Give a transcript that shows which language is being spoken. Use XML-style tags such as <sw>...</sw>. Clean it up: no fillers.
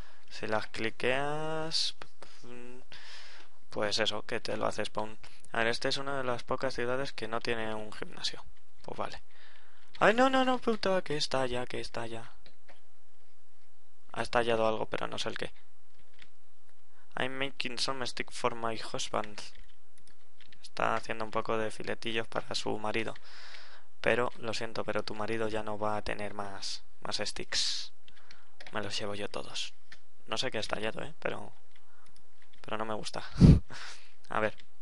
<es>Si las cliqueas, pues eso, que te lo hace spawn. A ver, esta es una de las pocas ciudades que no tiene un gimnasio. Pues vale. ¡Ay, no, no, no, puta! Que está ya, que está ya. Ha estallado algo, pero no sé el qué.</es> <en>I'm making some steak for my husband.</en> <es>Está haciendo un poco de filetillos para su marido. Pero, lo siento, pero tu marido ya no va a tener más sticks. Me los llevo yo todos. No sé qué ha estallado, ¿eh? Pero no me gusta. A ver.</es>